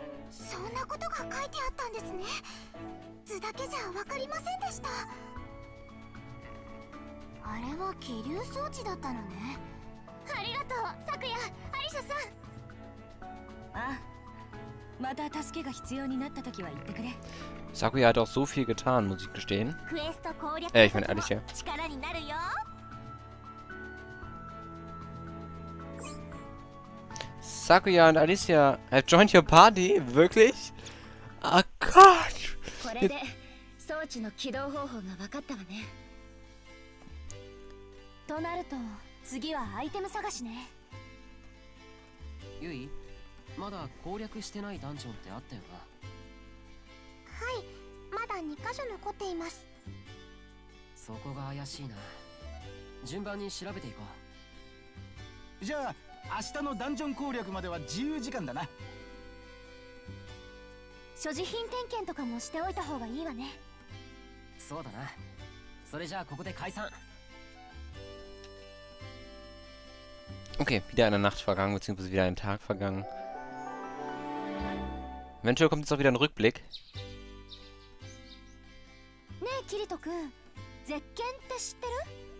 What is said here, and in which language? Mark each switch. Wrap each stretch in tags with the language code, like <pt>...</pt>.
<ja>そんなことが書いてあったんですね。図だけじゃ分かりませんでした。あれは気流装置だったのね。ありがとう、サクヤ、アリシャさん。あ。また助けが必要になった時は言ってくれ。</ja> <de>サクヤ hat auch so viel getan, muss ich gestehen.</de> <ja>クエスト攻略</ja> <de>ich meine, Alicia.</de> <ja>力になるよ。</ja> <en>サクヤ</en> <de>und</de> <en>Alicia have joined your party?</en> <de>Wirklich? Oh Gott!</de> <ja>これで装置の起動方法が分かったわね。となると次はアイテム探しね。ユイ？まだ攻略してないダンジョンってあったよな。はい、まだ2箇所残っています。そこが怪しいな。順番に調べていこう。じゃあ明日のダンジョン攻略までは自由時間だな。所持品点検とかもしておいた方がいいわね。そうだな。それじゃあここで解散。</ja> <de>OK、wieder eine Nacht vergangen, beziehungsweise wieder ein Tag vergangen. Eventuell kommt jetzt auch wieder ein Rückblick.</de> <ja>Ne, Kirito-kun, Zekken, te shitte ru?</ja>